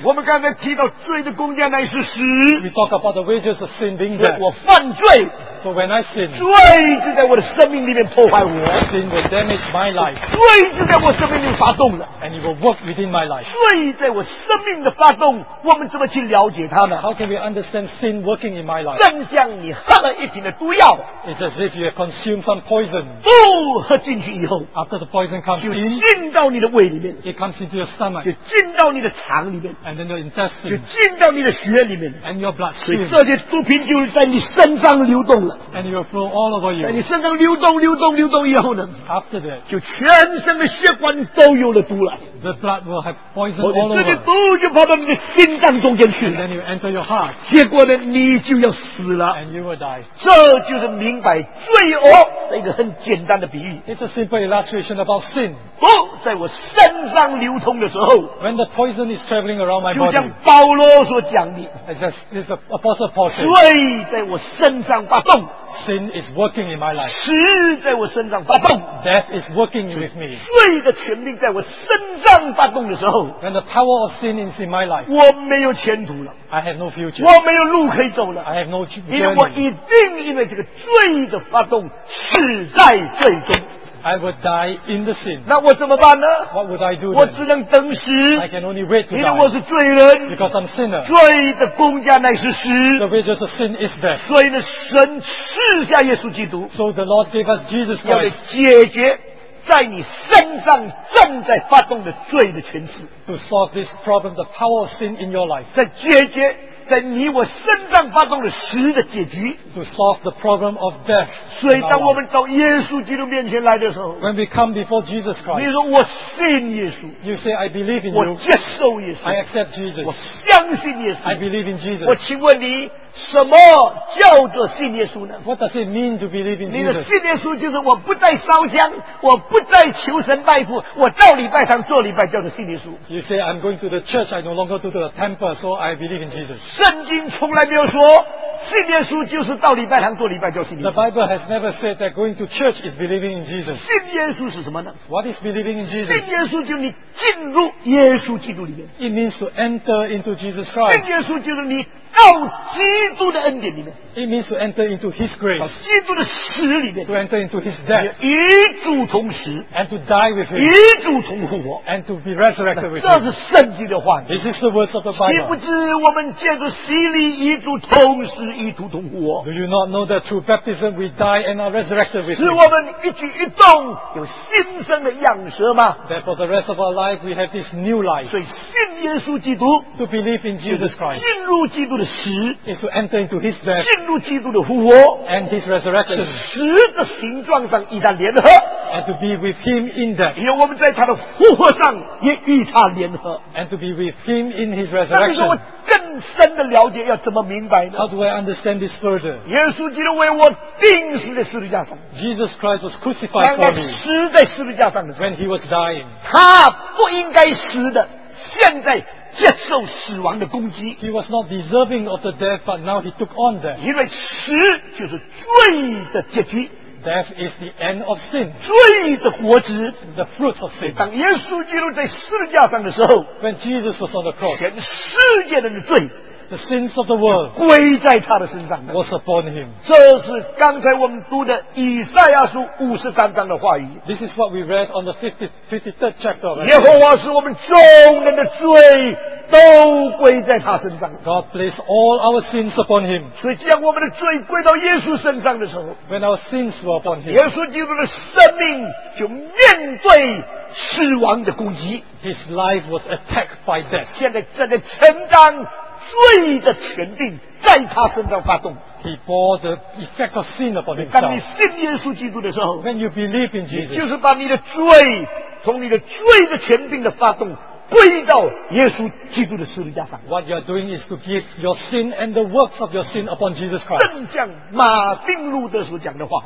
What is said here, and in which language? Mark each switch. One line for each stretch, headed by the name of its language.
Chinese: 我们刚才提到罪的工价乃是死。
English: We talk about the wages of sin being death.
Chinese: 我犯罪。
English: So when I sin,
Chinese: 罪就在我的生命里面破坏我。
English: Sin will damage my life.
Chinese: 罪就在我生命里发动了。
English: And it will work within my life.
Chinese: 罪在我生命的发动，我们怎么去了解它呢？
English: How can we understand sin working in my life?
Chinese: 正像你喝了一瓶的毒药。
English: It's as if you have consumed some poison.
Chinese: 毒喝进去以后。
English: After the poison comes in,
Chinese: 就进到你的胃里面。
English: It comes into your stomach.
Chinese: 就进到你的肠里面。
English: And then your intestine.
Chinese: 就进到你的血里面。
English: And your bloodstream.
Chinese: 所以这些毒品就在你身上流动了。
English: And it will flow all over you.
Chinese: 在你身上流动、流动、流动以后呢？
English: After that,
Chinese: 就全身的血管都有了毒了。
English: The blood will have poison all over.
Chinese: 这些毒就跑到你的心脏中间去了。
English: Then you enter your heart.
Chinese: 结果呢，你就要死了。
English: And you will die.
Chinese: 这就是明白罪恶的一个很简单的比喻。
English: It's a simple illustration about sin.
Chinese: 毒在我身上流通的时候
English: ，When the poison is traveling around my body,
Chinese: 就像保罗所讲的
English: ，It's a apostle Paul.
Chinese: 罪在我身上发动。
English: Sin is working in my life.
Chinese: 死在我身上发动。
English: Death is working with me.
Chinese: 罪的权柄在我身上发动的时候
English: ，When the power of sin is in my life,
Chinese: 我没有前途了。
English: I have no future.
Chinese: 我没有路可以走了。
English: I have no journey.
Chinese: 因为我一定因为这个罪的发动死在罪中。
English: I would die in the sin.
Chinese: 那我怎么办呢
English: ？What would I do?
Chinese: 我只能等死。
English: I can only wait to die.
Chinese: 因为我是罪人。
English: Because I'm sinner.
Chinese: 罪的工价乃是死。
English: The wages of sin is death.
Chinese: 所以呢，神赐下耶稣基督。
English: So the Lord gave us Jesus Christ.
Chinese: 要来解决在你身上正在发动的罪的权势。
English: To solve this problem, the power of sin in your life.
Chinese: 在解决。在你我身上发动了死的结局
English: to solve the problem of death.
Chinese: 所以当我们到耶稣基督面前来的时候
English: when we come before Jesus Christ,
Chinese: 你说我信耶稣
English: you say I believe in you,
Chinese: 我接受耶稣
English: I accept Jesus,
Chinese: 我相信耶稣
English: I believe in Jesus.
Chinese: 我请问你什么叫做信耶稣呢
English: what does it mean to believe in Jesus?
Chinese: 你的信耶稣就是我不再烧香我不再求神拜佛我到礼拜堂做礼拜叫做信耶稣
English: you say I'm going to the church I no longer go to the temple so I believe in Jesus.
Chinese: 圣经从来没有说信耶稣就是到礼拜堂做礼拜叫信耶稣。
English: The Bible has never said that going to church is believing in Jesus.
Chinese: 信耶稣是什么呢
English: ？What is believing in Jesus?
Chinese: 信耶稣就是你进入耶稣基督里面。
English: It means to enter into Jesus Christ.
Chinese: 信耶稣就是你到基督的恩典里面。
English: It means to enter into His grace.
Chinese: 到基督的死里面。
English: To enter into His death.
Chinese: 与主同死。
English: And to die with Him.
Chinese: 与主同复活。
English: And to be resurrected with Him.
Chinese: 这是圣经的话。
English: This is the words of the Bible.
Chinese: 岂不知我们借着洗礼与主同死。一途同活
English: Do you not know that through baptism we die and are resurrected with Him?
Chinese: 是我们一举一动有新生的样式吗
English: That for the rest of our life we have this new life.
Chinese: 所以信耶稣基督
English: To believe in Jesus Christ
Chinese: 进入基督的死
English: Is to enter into His death
Chinese: 进入基督的复活
English: And His resurrection
Chinese: 死的形状上与他联合
English: And to be with Him in death
Chinese: 因为我们在他的复活上也与他联合
English: And to be with Him in His resurrection
Chinese: 那你说我更深的了解要怎么明白呢
English: How do I understand this further?
Chinese: 耶稣基督为我钉死在十字架上。
English: Jesus Christ was crucified for me.
Chinese: 死在十字架上的。
English: When he was dying.
Chinese: 他不应该死的，现在接受死亡的攻击。
English: He was not deserving of the death, but now he took on death.
Chinese: 因为死就是罪的结局。
English: Death is the end of sin.
Chinese: 罪的果子
English: the fruits of sin.
Chinese: 当耶稣基督在十字架上的时候
English: when Jesus was on the cross,
Chinese: 全世界人的罪
English: the sins of the world,
Chinese: 归在他的身上
English: was upon him.
Chinese: 这是刚才我们读的以赛亚书五十三章的话语
English: This is what we read on the 53rd chapter of Isaiah.
Chinese: 耶和华是我们众人的罪都归在他身上。
English: God placed all our sins upon him.
Chinese: 所以将我们的罪归到耶稣身上的时候
English: ，When our sins were upon him，
Chinese: 耶稣基督的生命就面对死亡的攻击。
English: His life was attacked by death.
Chinese: 现在正在承担罪的权柄在他身上发动。
English: He bore the effects of sin upon himself.
Chinese: 当你信耶稣基督的时候
English: ，When you believe in Jesus，
Chinese: 就是把你的罪从你的罪的权柄的发动。归到耶稣基督的十字架上。
English: What you are doing is to give your sin and the works of your sin upon Jesus Christ.
Chinese: 正像马丁路德所讲的话。